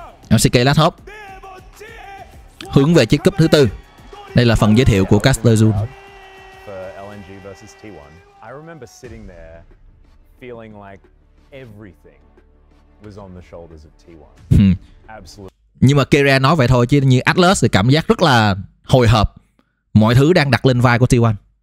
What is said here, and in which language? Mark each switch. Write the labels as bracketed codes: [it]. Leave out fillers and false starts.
[vi] LCK Last Hope hướng về chiếc cúp thứ tư. Đây là phần giới thiệu của Caster Zoom. [en] For LNG versus T1, I remember sitting there feeling like everything was on the shoulders of T1. [vi] Nhưng mà Kyria nói vậy thôi, chứ như Atlas thì cảm giác rất là hồi hộp. Mọi thứ đang đặt lên vai của T1.